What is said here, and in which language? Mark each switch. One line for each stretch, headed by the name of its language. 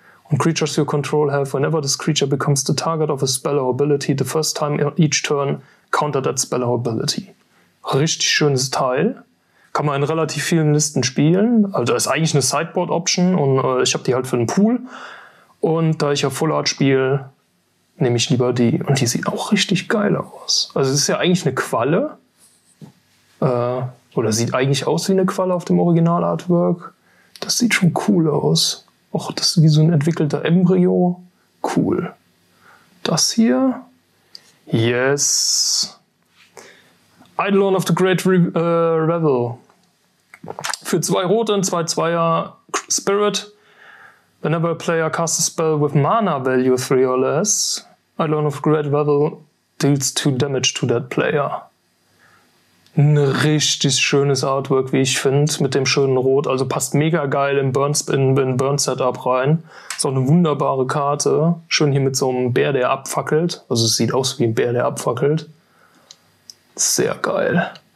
English: Und Creatures you control have, whenever this creature becomes the target of a spell or ability, the first time each turn, counter that spell or ability.
German: Richtig schönes Teil. Kann man in relativ vielen Listen spielen. Also ist eigentlich eine Sideboard-Option und ich habe die halt für den Pool. Und da ich ja Full Art spiele, nehme ich lieber die. Und die sieht auch richtig geil aus. Also es ist ja eigentlich eine Qualle. Oder sieht eigentlich aus wie eine Qualle auf dem Original-Artwork. Das sieht schon cool aus. Och, das ist wie so ein entwickelter Embryo. Cool. Das hier.
English: Yes.
German: Eidolon of the Great Revel. Für 2 rote und 2/2er Spirit.
English: Whenever a player casts a spell with mana value 3 or less, Eidolon of the Great Revel deals 2 damage to that player.
German: Ein richtig schönes Artwork, wie ich finde, mit dem schönen Rot. Also passt mega geil im Burn-Setup rein. So eine wunderbare Karte. Schön hier mit so einem Bär, der abfackelt. Also es sieht aus wie ein Bär, der abfackelt. Sehr geil.